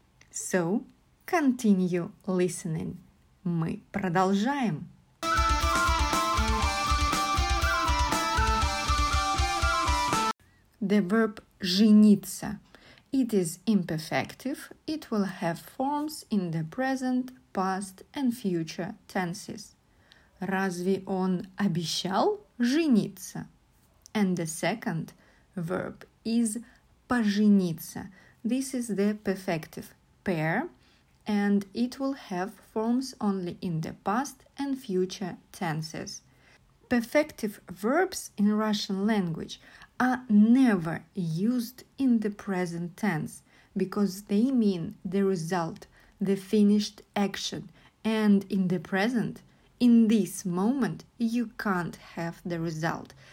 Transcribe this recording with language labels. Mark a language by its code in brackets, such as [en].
[en] So, continue listening. [ru] Мы продолжаем. [en] The verb жениться. It is imperfective. It will have forms in the present, past and future tenses. [ru] Разве он обещал жениться? [en] And the second verb is пожениться. This is the perfective pair, and it will have forms only in the past and future tenses. Perfective verbs in Russian language are never used in the present tense because they mean the result, the finished action, and in the present, in this moment, you can't have the result.